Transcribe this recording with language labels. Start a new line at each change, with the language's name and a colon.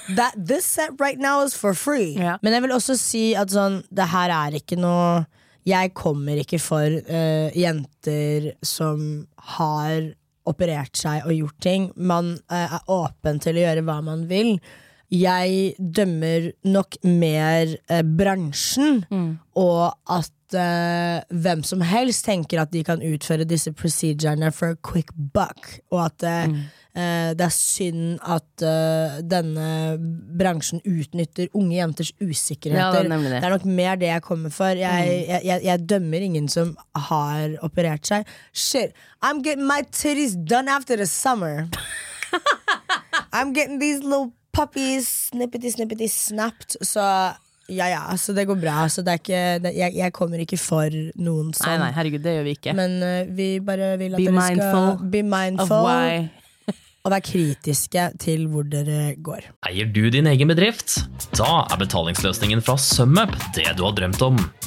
English: That, this set right now is for free.
Norwegian: Ja. Men jeg vil også si at sånn, det her er ikke noe, jeg kommer ikke for jenter som har operert seg og gjort ting. Man er åpen til å gjøre hva man vil. Jeg dømmer nok mer bransjen og at hvem som helst tenker at de kan utføre disse procedurene
English: for a quick buck,
Norwegian: og at det er synd at denne bransjen utnytter unge jenters usikkerheter. Ja, det, det er nok mer det jeg kommer for. Jeg dømmer ingen som har operert seg.
English: Shit, I'm getting my titties done after the summer. I'm getting these little puppies, snippity, snippity, snapped.
Norwegian: Så ja, ja, så det går bra. Så det er ikke, det, jeg kommer ikke for noen som. Nei, herregud, det gjør vi ikke. Men vi bare vil at
English: be
Norwegian: dere
English: mindful
Norwegian: skal
English: be mindful of why.
Norwegian: Og være kritiske til hvor dere går. Eier du din egen bedrift? Da er betalingsløsningen fra SumUp det du har drømt om.